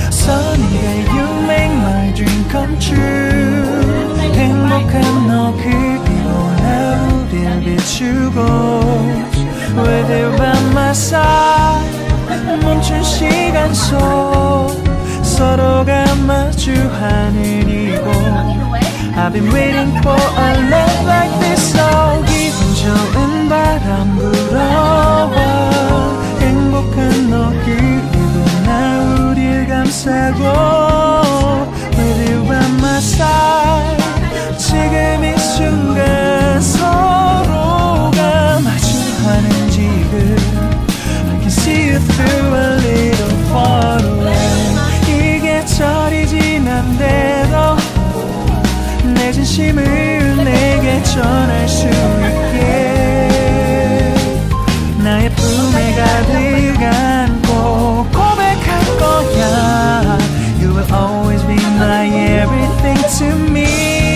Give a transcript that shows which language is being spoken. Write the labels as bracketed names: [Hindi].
[English] Someday you make my dream come true. [Korean] 행복한 너 그리고 나 우릴 비추고. [English] With you by my side. [Korean] 멈춘 시간 속 서로가 마주하는 이곳. [English] I've been waiting for a love like this. [Korean] So 기분 좋은 바람 불어와. 행복한 너 그리고 나 우릴 감싸고. [English] With you by my side. [Korean] 지금 이 순간 서로가 마주하는 지금. [English] I can see you through a little far away. [Korean] 이 계절이 지난대도 내 진심을 내게 전할 수 있게. 나의 품에 가득 안고 고백할 거야. [English] You will always be my everything to me.